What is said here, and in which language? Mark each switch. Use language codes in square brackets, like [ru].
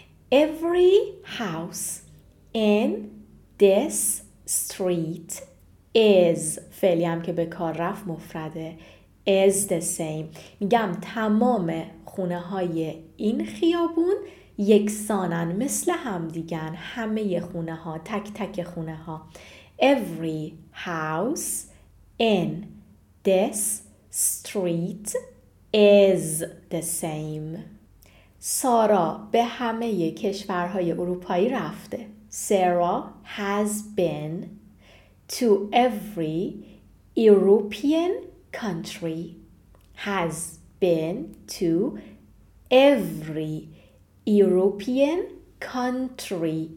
[en] Every house in this street is [fa] فعلی هم که به کار رفت مفرده. [en] Is the same. [fa] میگم تمام خونه های این خیابون یکسانن، مثل هم دیگن، همه خونه ها، تک تک خونه ها. [en] Every house in this street is the same. [fa] سارا به همه کشورهای اروپایی رفته. [en] Sarah has been to every European country. Has been to every European country.